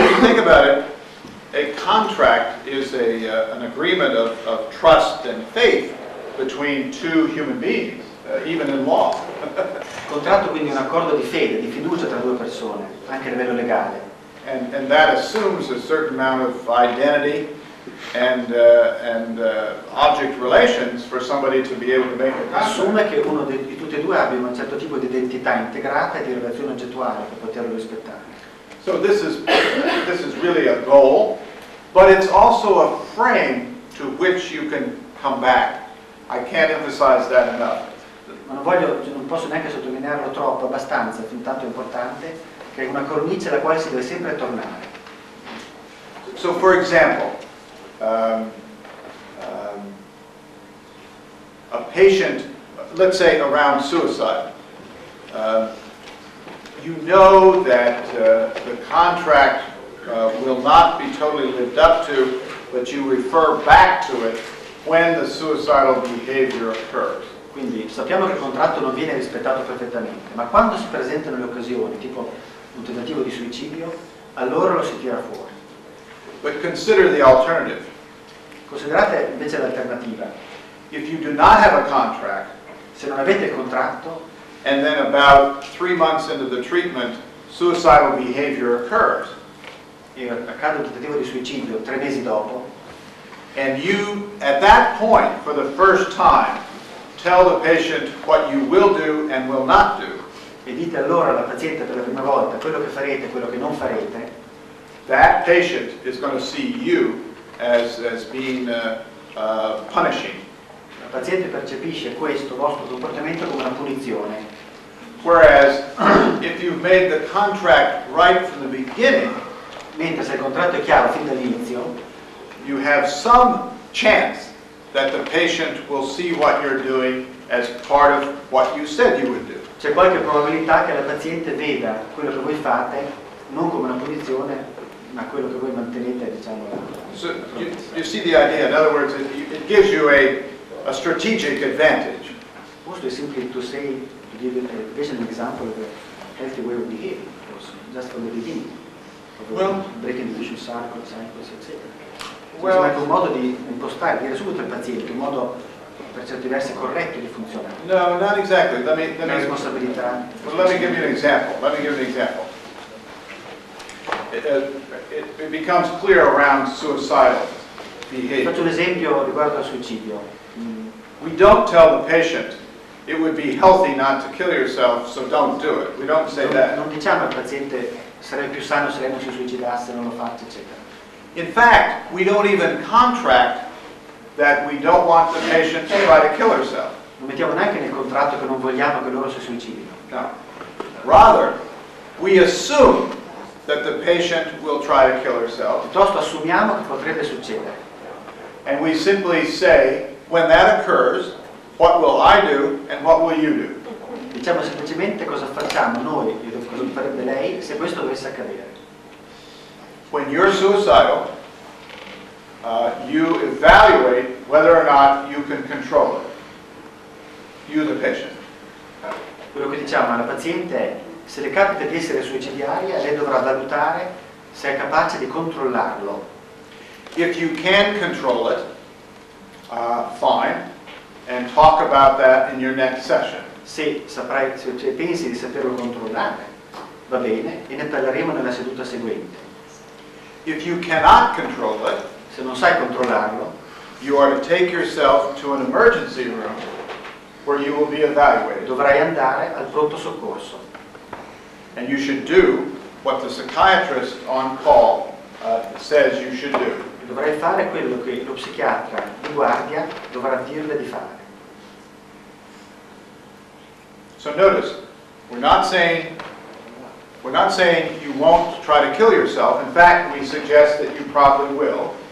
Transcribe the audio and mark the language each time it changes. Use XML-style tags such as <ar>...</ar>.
<en>If you think about it, a contract is an agreement of trust and faith between two human beings, even in law.</en> <it>Contratto quindi un accordo di fede, di fiducia tra due persone, anche a livello legale.</it> <en>And that assumes a certain amount of identity and object relations for somebody to be able to make a contract.</en> <it>Assume che uno di tutti e due abbia un certo tipo di identità integrata e di relazione oggettuale per poterlo rispettare.</it> <en>So this is really a goal, but it's also a frame to which you can come back. I can't emphasize that enough.</en> <it>Ma non posso neanche sottolinearlo troppo, abbastanza, fin tanto è importante, che è una cornice alla quale si deve sempre tornare.</it> <en>So for example, a patient, let's say around suicide, you know that the contract will not be totally lived up to, but you refer back to it when the suicidal behavior occurs.</en> <it>Quindi sappiamo che il contratto non viene rispettato perfettamente, ma quando si presentano le occasioni, tipo un tentativo di suicidio, allora lo si tira fuori.</it> <en>But consider the alternative.</en> <it>Considerate invece l'alternativa.</it> <en>If you do not have a contract,</en> <it>se non avete il contratto,</it> <en>and then about 3 months into the treatment, suicidal behavior occurs.</en> <it>E accade un tentativo di suicidio 3 mesi dopo.</it> <en>And you, at that point, for the first time, tell the patient what you will do and will not do.</en> <it>E dite allora alla paziente per la prima volta quello che farete e quello che non farete.</it> <en>That patient is going to see you as being punishing.</en> <it>La paziente percepisce questo vostro comportamento come una punizione.</it> <en>Whereas, if you've made the contract right from the beginning,</en> <it>mentre se il contratto è chiaro fin dall'inizio,</it> <en>you have some chance that the patient will see what you're doing as part of what you said you would do.</en> <it>C'è qualche probabilità che la paziente veda quello che voi fate non come una punizione, ma quello che voi mantenete, diciamo, la...</it> <en>So you see the idea, in other words, it gives you a strategic advantage. Most simply to say, to give the patient an example of a healthy way of behaving, also, just from the beginning. Well, breaking the vicious cycle, cycles, etc. Well,</en> <it>un modo di impostare, dire subito al paziente, un modo per certi versi corretto di funzionare.</it> <en>No, not exactly. Let me</en> <it>responsabilità.</it> <en>Well, let me give you an example. Let me give you an example. It becomes clear around suicidal behavior.</en> <it>Faccio un esempio riguardo al suicidio.</it> <en>We don't tell the patient it would be healthy not to kill yourself, so don't do it. We don't say that.</en> <it>Non diciamo al paziente sarebbe più sano se lei non si suicidasse, non lo fate, eccetera.</it> <en>In fact, we don't even contract that we don't want the patient to try to kill herself.</en> <it>Non mettiamo neanche nel contratto che non vogliamo che loro si suicidino.</it> <en>No. Rather, we assume that the patient will try to kill herself.</en> <it>Piuttosto assumiamo che potrebbe succedere.</it> <en>And we simply say, when that occurs, what will I do and what will you do?</en> <it>Diciamo semplicemente cosa facciamo noi, cosa farebbe lei se questo dovesse accadere.</it> <en>When you're suicidal, you evaluate whether or not you can control it. You, the patient.</en> <it>Quello che diciamo alla paziente è, se le capita di essere suicidiaria, lei dovrà valutare se è capace di controllarlo.</it> <en>If you can control it, fine, and talk about that in your next session.</en> <it>Se saprai, se pensi di saperlo controllare, va bene, e ne parleremo nella seduta seguente.</it> <en>If you cannot control it,</en> <it>se non sai controllarlo,</it> <en>you are to take yourself to an emergency room where you will be evaluated.</en> <it>Dovrai andare al pronto soccorso.</it> <en>And you should do what the psychiatrist on call says you should do.</en> <it>Dovrai fare quello che lo psichiatra di guardia dovrà dirle di fare.</it> <en>So notice, we're not saying you won't try to kill yourself. In fact, we suggest that you probably will.</en>